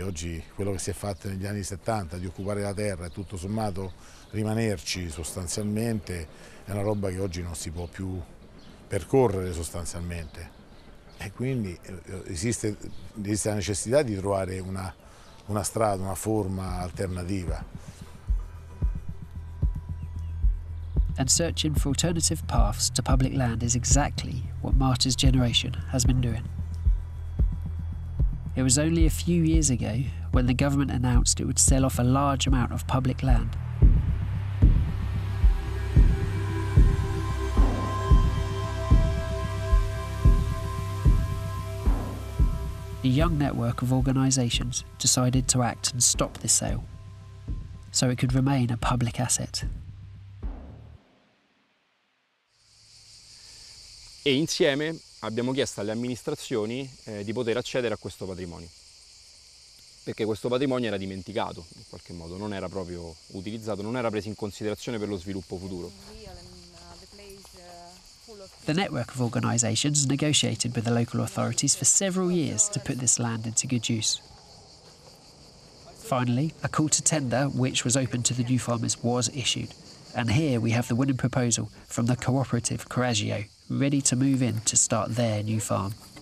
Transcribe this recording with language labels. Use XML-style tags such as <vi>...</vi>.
<it>Oggi quello che si è fatto negli anni 70 di occupare la terra e tutto sommato rimanerci sostanzialmente è una roba che oggi non si può più percorrere sostanzialmente. E quindi esiste la necessità di trovare una strada, una forma alternativa.</it> <en>And searching for alternative paths to public land is exactly what Marta's generation has been doing. It was only a few years ago when the government announced it would sell off a large amount of public land. A young network of organisations decided to act and stop this sale so it could remain a public asset.</en> <it>E insieme abbiamo chiesto alle amministrazioni di poter accedere a questo patrimonio, perché questo patrimonio era dimenticato in qualche modo, non era proprio utilizzato, non era preso in considerazione per lo sviluppo futuro.</it> <en>The network of organisations negotiated with the local authorities for several years to put this land into good use. Finally, a call to tender, which was open to the new farmers, was issued. And here we have the winning proposal from the cooperative Coraggio, ready to move in to start their new farm.</en>